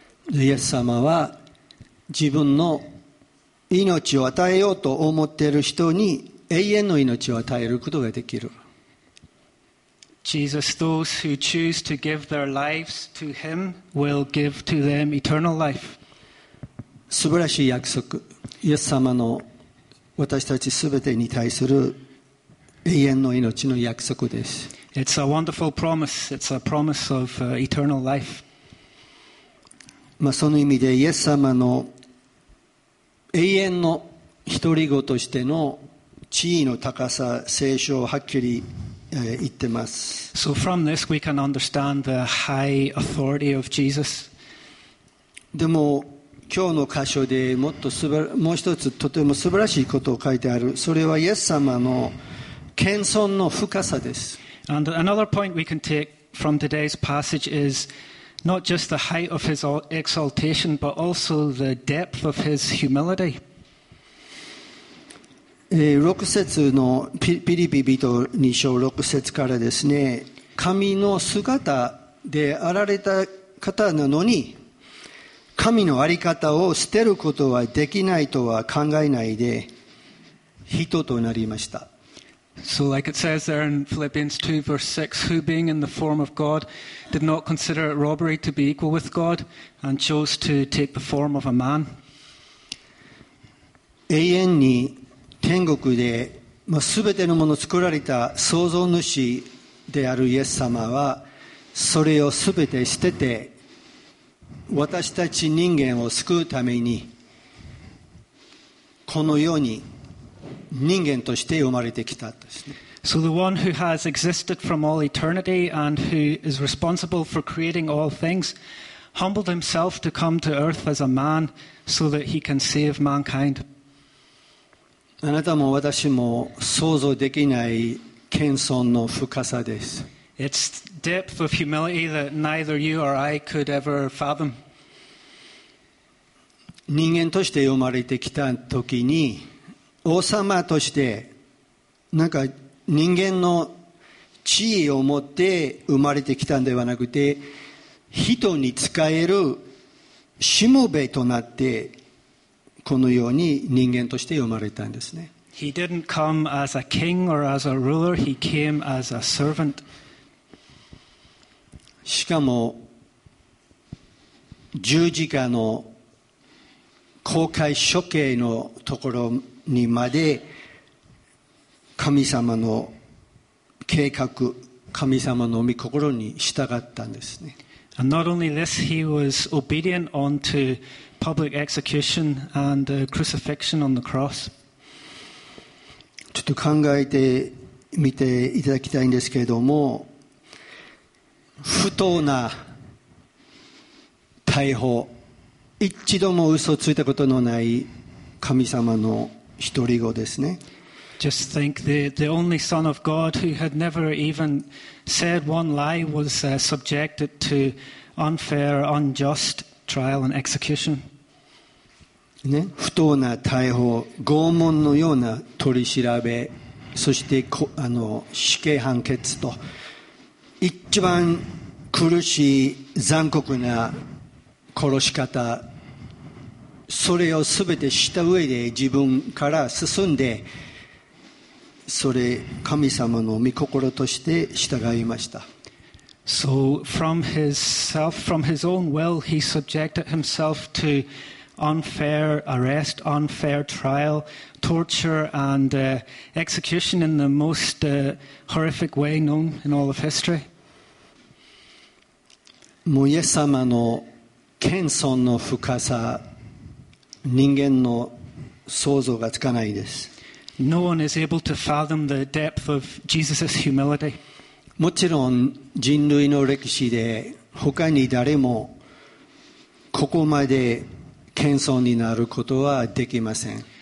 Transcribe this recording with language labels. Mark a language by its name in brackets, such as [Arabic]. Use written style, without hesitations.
[Japanese] イエス様は自分の命を与えようと思っている人に永遠の命を与えることができる。 [English] Jesus, those who choose to give their lives to him will give to them eternal life. [Japanese] 素晴らしい約束、イエス様の私たちすべてに対する永遠の命の約束です。 [English] It's a wonderful promise. It's a promise of eternal life. [Japanese] まあ、その意味でイエス様の永遠の独り子としての地位の高さ、聖書をはっきり言ってます。 [English] So from this we can understand the high authority of Jesus. [Japanese] でも今日の箇所でもっと素晴もう一つとても素晴らしいことを書いてある。それはイエス様の謙遜の深さです。 [English] And another point we can take from today's passage is not just the height of his exaltation, but also the depth of his humility. [Japanese] 6節のピリピ人2章6節からですね、神の姿であられた方なのに、神のあり方を捨てることはできないとは考えないで、人となりました。 [English] So like it says there in Philippians 2 verse 6, who being in the form of God did not consider it robbery to be equal with God and chose to take the form of a man. [Japanese] 永遠に天国で、まあ、全てのものを作られた創造主であるイエス様はそれを全て捨てて私たち人間を救うためにこの世に人間として生まれてきたですね。 [English] So the one who has existed from all eternity and who is responsible for creating all things humbled himself to come to earth as a man so that he can save mankind. [Japanese] あなたも私も想像できない謙遜の深さです。 [English] It's depth of humility that neither you or I could ever fathom. [Japanese] 人間として生まれてきた時に王様としてなんか人間の地位を持って生まれてきたのではなくて人に使えるしもべとなってこのように人間として生まれたんですね。 [English] He didn't come as a king or as a ruler. He came as a servant. [Japanese] しかも十字架の公開処刑のところにまで神様の計画、神様の御心に従ったんですね。 [English] And not only this, he was obedient unto public execution and crucifixion on the cross. [Japanese] ちょっと考えてみていただきたいんですけれども、不当な逮捕、一度も嘘ついたことのない神様の一人子ですね。 [English] Just think the only son of God who had never even said one lie was subjected to unfair, unjust trial and execution. [Japanese] ね、不当な逮捕、拷問のような取り調べ、そしてあの死刑判決と一番苦しい残酷な殺し方。それをすべて知った上で自分から進んでそれ神様の御心として従いました。 [English] So from his own will he subjected himself to unfair arrest, unfair trial, torture and execution in the most horrific way known in all of history. [Japanese] もうイエス様の謙遜の深さ、人間の想像がつかないです。 [English] No one is able to fathom the depth of Jesus' humility. [Japanese] もちろん人類の歴史で他に誰もここまで謙遜になることはできません。